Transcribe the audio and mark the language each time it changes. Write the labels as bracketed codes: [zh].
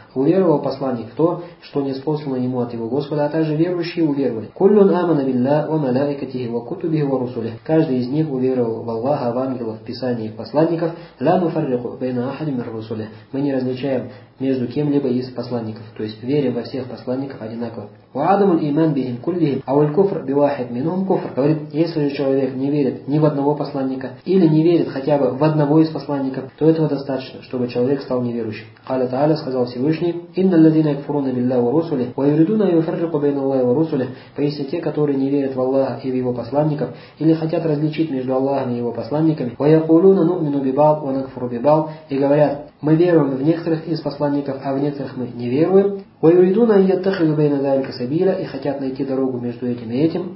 [ru] Уверовал посланник в то, что не спослано ему от его Господа, а также верующие уверовали. [ar] Куллюн амана билля, ва малайкатихи, ва кутубихи, ва русулихи. [ru] Каждый из них уверовал в Аллаха, в ангелов, в Писание и в посланников. [ar] Ла муфаррику байна ахадим ар-Русулихи. [ru] Мы не различаем между кем-либо из посланников. То есть верим во всех посланников одинаково. [ar] وعدم الإيمان بهم كلهم أو الكفر بواحد منهم كفر. [ru] Говорит, если же человек не верит ни в одного посланника или не верит хотя бы в одного из посланников, то этого достаточно, чтобы человек стал неверующим. [ar] قال تعالى [ru] сказал Всевышний: [ar] إن الذين يكفرون بالله ورسله ويريدون أن يفرقوا بين الله ورسله. [ru] Поистине те, которые не верят в Аллаха и в Его посланников или хотят различить между Аллахом и Его посланниками, [ar] ويقولون نؤمن ببعض ونكفر ببعض, [ru] и говорят: мы веруем в некоторых из посланников, а в некоторых мы не веруем. [ar] وَيُرِيدُونَ أَنْ يَتَّخِذُوا بَيْنَ ذَلِكَ سَبِيلًا, [ru] и хотят найти дорогу между этим и этим.